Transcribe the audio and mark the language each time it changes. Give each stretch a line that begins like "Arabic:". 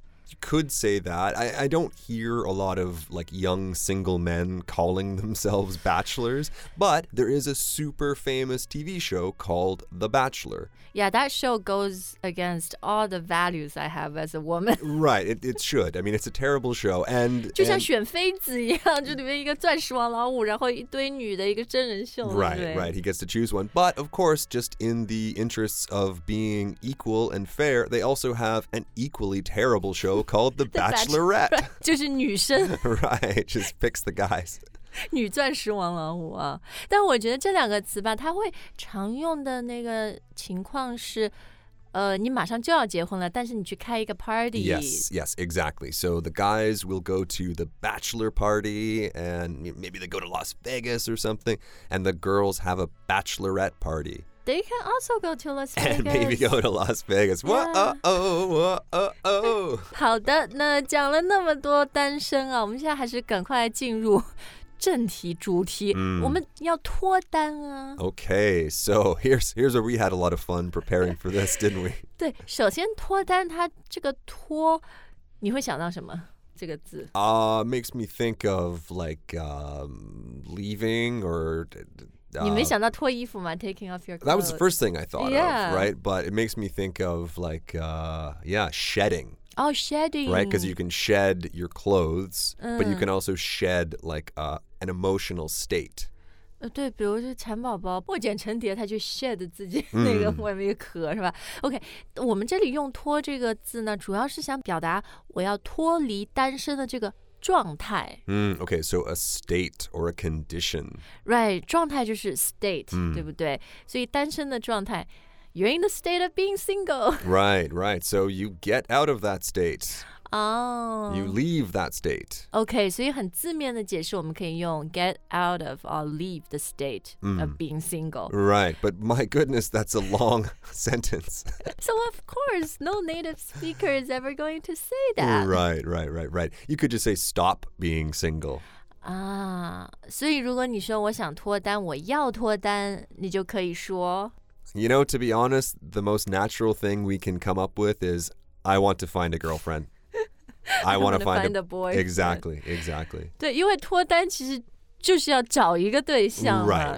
English: You could say that. I don't hear a lot of like young single men calling themselves bachelors, but there is a super famous TV show called The Bachelor. Yeah, that show goes against all the values I have as a woman. Right, it should. I mean, it's a terrible show. And
Chinese: 就像选妃子一样，就里面一个钻石王老五，然后一堆女的一个真人秀。
English: Right, right. He gets to choose one, but of course, just in the interests of being equal and fair, they also have an equally terrible show. Called the Bachelorette.
Chinese: 就是女生
English: Right, just picks the guys.
Chinese: 女钻石王老五啊。但我觉得这两个词吧，它会常用的那个情况是你马上就要结婚了，但是你去开一个 party.
English: Yes, yes, exactly. So the guys will go to the bachelor party, and maybe they go to Las Vegas or something, and the girls have a bachelorette party. They can also go to Las Vegas. And maybe go to Las Vegas. Whoa-oh-oh-oh-oh-oh.
Chinese: 好的，那讲了那么多单身啊，我们现在还是赶快进入正题主题。我们要脱单啊。
English: Okay, so here's where we had a lot of fun preparing for this, didn't we?
Chinese: 对，首先脱单它这个脱，你会想到什么？这个字
English: makes me think of like leaving or...
Chinese: 你没想到脱衣服吗?
English: Taking off your clothes. That was the first thing I thought of, right? But it makes me think of like, shedding. Oh, shedding. Right, because you can shed your clothes, but you can also shed like an emotional state.
Chinese: 对，比如是蚕宝宝破茧成蝶，它就 shed 自己那个外面一个壳，是吧 ？OK， 我们这里用脱这个字呢，主要是想表达我要脱离单身的这个。状态。
English: Okay, so a state or a condition.
Chinese: Right, 状态就是 state, 对不对？所以单身的状态
English: you're in the state of being single. Right, right. So you get out of that state. Oh. You leave that state.
Chinese: Okay, 所以很字面的解释我们可以用
English: get out of or leave the state of being single. Right, but my goodness, that's a long sentence. So of course, no native speaker is ever going to say that. Right, right, right, right. You could just say stop being single.
Chinese: Ah, 所以如果你说我想脱单,我要脱单,你就可以说
English: You know, to be honest, the most natural thing we can come up with is I want to find a girlfriend. I want to find a boy. Exactly, exactly.
Chinese: 对，因为脱单其实就是要找一个对象嘛